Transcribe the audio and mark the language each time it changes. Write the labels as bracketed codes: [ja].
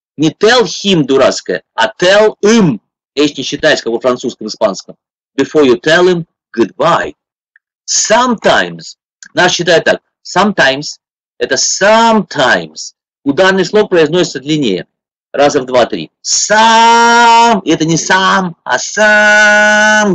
[en] Не tell him, дурацкое, а tell him. [ru] Если не считается, как во французском, испанском. [en] Before you tell him, goodbye. Sometimes. [ru] Нас считают так. [en] Sometimes. [ru] Это sometimes. Ударный слог произносится длиннее. Раза в два, три. Some. Это не some, а some.